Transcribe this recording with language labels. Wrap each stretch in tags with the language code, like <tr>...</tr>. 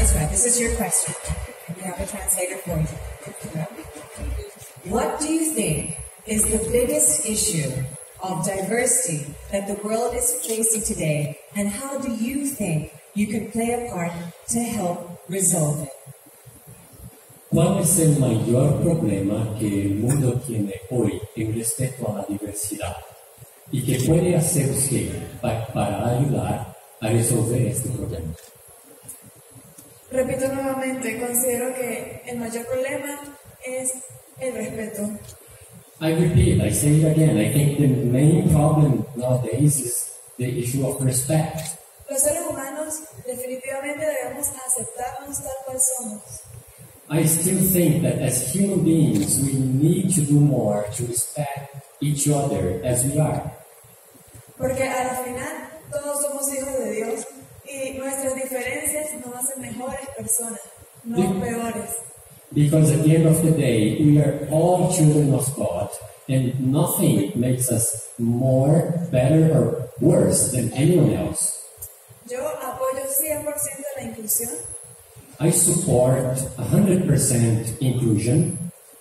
<en>This is your question. We have a translator for you. What do you think is the biggest issue of diversity that the world is facing today, and how do you think you can play a part to help resolve it?</en> <es>¿Cuál es el mayor problema que el mundo tiene hoy en respecto a la diversidad y qué puede hacer usted para ayudar a resolver este problema? Repito nuevamente, considero que el mayor problema es el respeto.</es> <en>I repeat, I say it again, I think the main problem nowadays is the issue of respect.</en> <es>Los seres humanos definitivamente debemos aceptarnos tal cual somos.</es> <en>I still think that as human beings we need to do more to respect each other as we are.</en> <es>Porque al final todos somos hijos de Dios. Y nuestras diferencias nos hacen mejores personas, no peores.</es> <en>Because at the end of the day, we are all children of God, and nothing makes us more, better, or worse than anyone else.</en> <es>Yo apoyo 100% la inclusión.</es> <en>I support 100% inclusion.</en>